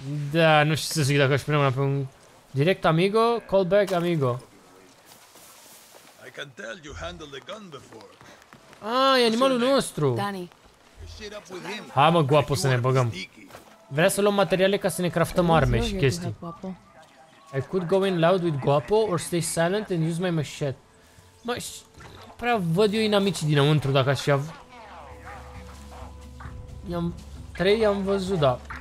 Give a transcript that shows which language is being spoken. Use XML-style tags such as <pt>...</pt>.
<ro>Da, nu știu ce să zic dacă aș pune mâna pe un...</ro> <en>Direct amigo, call back amigo. I can tell you handled the gun before.</en> <ro>Ah, e animalul nostru. Danny. Hai mă, Guapo, să ne băgăm. Vrea să luăm materiale ca să ne craftăm arme și chestii.</ro> <en>I could go in loud with Guapo or stay silent and use my machete.</en> <ro>Mă, prea văd eu inamicii dinăuntru dacă aș fi av... Trei i-am văzut, da.</ro>